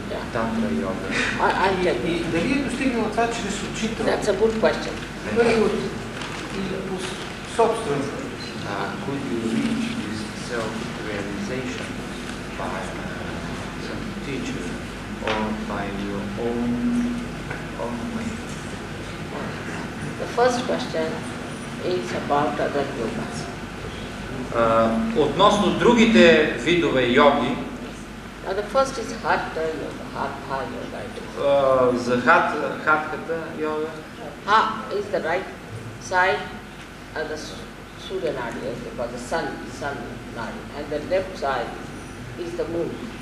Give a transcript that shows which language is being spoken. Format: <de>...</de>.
<bg>Дали е достигнало това чрез учител?</bg> <en>That's a good question.</en> <bg>Или по собствено?</bg> <en>Could you reach this self-realization by some teacher or by your own way? The first question is about other yogas.</en> <bg>Относно другите видове йоги.</bg> <en>Now the first is hatha yoga, hatha yoga.</en> <bg>За хатката йога.</bg> <en>Ha is the right side of the Surya Nadi, because the sun Nadi, and the left side is the moon.</en>